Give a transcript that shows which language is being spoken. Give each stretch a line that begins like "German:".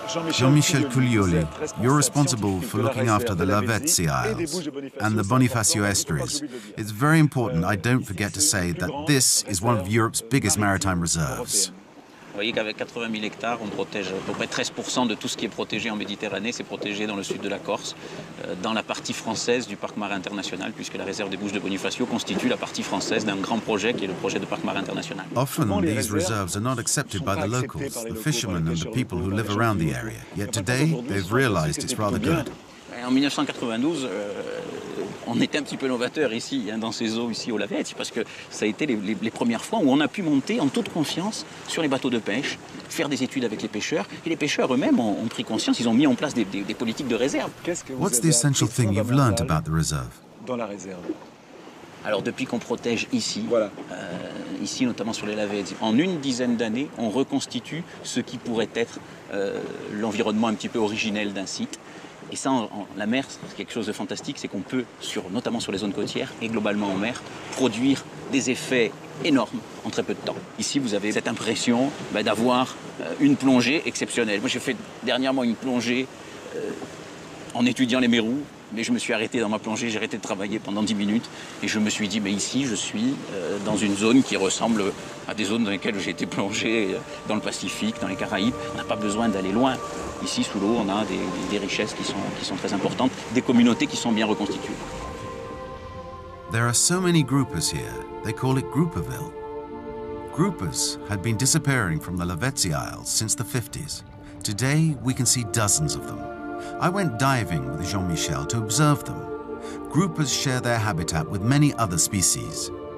English: Jean-Michel Cuglioli, you're responsible for looking after the Lavezzi Isles and the Bonifacio Estuaries. It's very important I don't forget to say that this is one of Europe's biggest maritime reserves.
French: Vous voyez qu'avec 80 000 hectares, on protège à peu près 13% de tout ce qui est protégé en Méditerranée. C'est protégé dans le sud de la Corse, dans la partie française du parc marin international, puisque la réserve des Bouches de Bonifacio constitue la partie française d'un grand projet qui est le projet de parc marin international.
English: Often, these reserves are not accepted by the locals, the fishermen and the people who live around the area. Yet today, they've realized it's rather good.
French: En 1992, on était un petit peu novateur ici, dans ces eaux ici au Lavezzi, parce que ça a été les premières fois où on a pu monter en toute confiance sur les bateaux de pêche, faire des études avec les pêcheurs, et les pêcheurs eux-mêmes ont pris conscience, ils ont mis en place des politiques de réserve.
English: What's the essential thing you've learned about the reserve?
French: Dans la réserve. Alors depuis qu'on protège ici, voilà. Ici notamment sur les Lavezzi, en une dizaine d'années, on reconstitue ce qui pourrait être l'environnement un petit peu originel d'un site. Et ça, la mer, c'est quelque chose de fantastique, c'est qu'on peut, notamment sur les zones côtières et globalement en mer, produire des effets énormes en très peu de temps. Ici, vous avez cette impression d'avoir une plongée exceptionnelle. Moi, j'ai fait dernièrement une plongée en étudiant les mérous, mais je me suis arrêté dans ma plongée, j'ai arrêté de travailler pendant 10 minutes et je me suis dit, mais ici, je suis dans une zone qui ressemble à des zones dans lesquelles j'ai été plongé dans le Pacifique, dans les Caraïbes. On n'a pas besoin d'aller loin. Ici, sous l'eau, on a des richesses qui sont très importantes, des communautés qui sont bien reconstituées.
English: There are so many groupers here, they call it Grouperville. Groupers had been disappearing from the Lavezzi Isles since the 50s. Today, we can see dozens of them. I went diving with Jean-Michel to observe them. Groupers share their habitat with many other species.